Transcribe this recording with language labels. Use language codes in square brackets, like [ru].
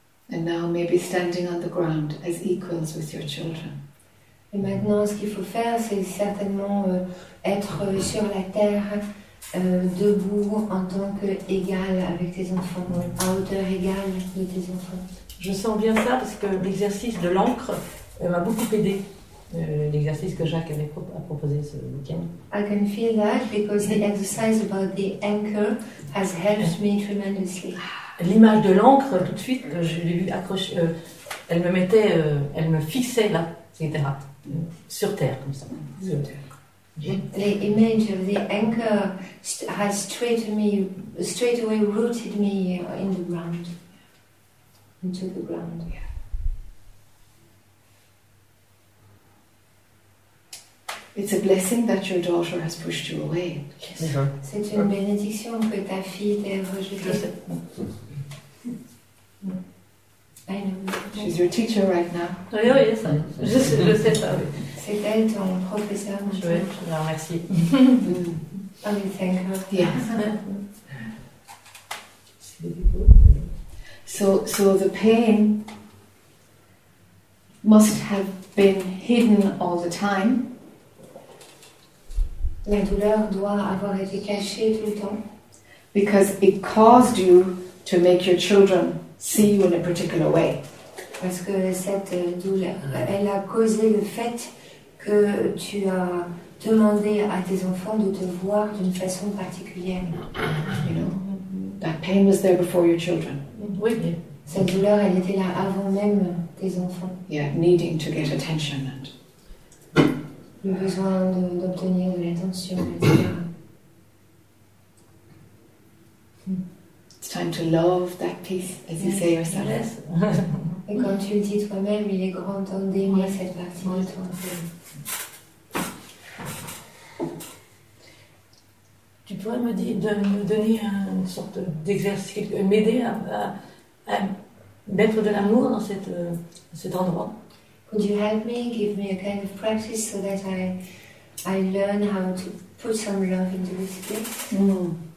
[en] And now maybe standing on the ground as equals with your children. [fr] Et maintenant ce qu'il faut faire c'est certainement être sur la terre. Debout en tant qu'égal avec tes enfants, à hauteur égale de tes enfants. Je sens bien ça parce que l'exercice de l'encre m'a beaucoup aidé. L'exercice que Jacques avait proposé ce week-end. [en] I can feel that because the exercise about the anchor has helped me tremendously. [fr] L'image de l'encre, tout de suite, je l'ai vu accrocher. Elle me mettait, elle me fixait là, etc. Sur terre, comme ça. Sur terre. [en] The image of the anchor has straight away rooted me in the ground, into the ground. Yeah. It's a blessing that your daughter has pushed you away. Yes. [fr] C'est une bénédiction que ta fille t'ait rejeté. [en] She's your teacher right now. Oh, yes, [fr] je sais ça. Oui. C'est elle, ton professeur. Je vais te la remercier. [en] I will thank her. Yes. So the pain must have been hidden all the time. [fr] La douleur doit avoir été cachée tout le temps. [en] Because it caused you to make your children see you in a particular way. [fr] Parce que cette douleur, elle a causé le fait que tu as demandé à tes enfants de te voir d'une façon particulière. [en] You know, that pain was there before your children. Oui. Yeah. [fr] Cette douleur, elle était là avant même tes enfants. [en] Yeah, needing to get attention. And... [fr] le besoin d'obtenir de l'attention, etc. [en] It's time to love that peace, as you say yourself. Yes. [fr] Et quand tu le dis toi-même, il est grand temps d'aimer cette partie de toi. Tu pourrais me dire de me donner une sorte d'exercice, m'aider à mettre de l'amour dans cet endroit. [en] Could you help me, give me a kind of practice so that I learn how to put some love into this place?